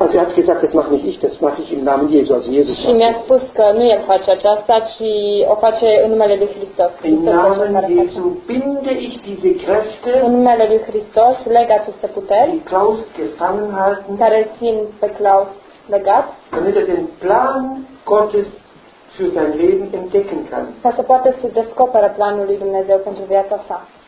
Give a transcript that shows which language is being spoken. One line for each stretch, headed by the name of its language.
German: Also er hat gesagt, das mache nicht ich, das mache ich im Namen Jesu. Also Jesus.
Romanian: Și mi-a spus că nu el face aceasta, ci o face în numele lui Hristos.
German: Im Namen Jesu binde ich diese Kräfte.
Romanian: În numele lui Hristos leg aceste puteri.
German: Die Klaus gefangen halten.
Romanian: Care țin pe Klaus legat.
German: Damit er den Plan Gottes für sein Leben entdecken kann.
Romanian: Ca să poată să descopere planul lui Dumnezeu pentru viața sa.